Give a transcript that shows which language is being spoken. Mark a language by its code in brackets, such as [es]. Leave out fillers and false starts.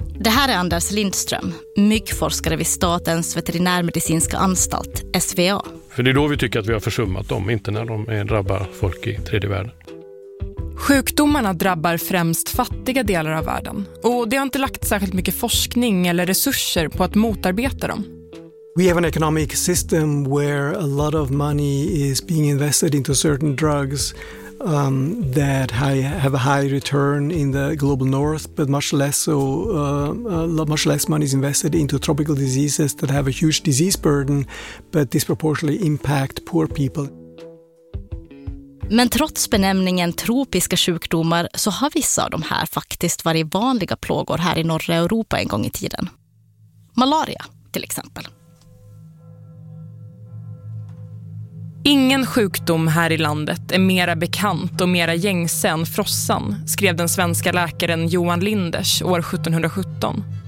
[sv] Det här är Anders Lindström, myggforskare vid Statens veterinärmedicinska anstalt, SVA. För det är då vi tycker att vi har försummat dem, inte när de drabbar folk i tredje världen. Sjukdomarna drabbar främst fattiga delar av världen och det har inte lagt särskilt mycket forskning eller resurser på att motarbeta dem. [en] We have an economic system where a lot of money is being invested into certain drugs that have a high return in the global north, but much less money is invested into tropical diseases that have a huge disease burden but disproportionately impact poor people. [sv] Men trots benämningen tropiska sjukdomar så har vissa av de här faktiskt varit vanliga plågor här i norra Europa en gång i tiden. Malaria, till exempel. Ingen sjukdom här i landet är mera bekant och mera gängse än frossan, skrev den svenska läkaren Johan Linders år 1717.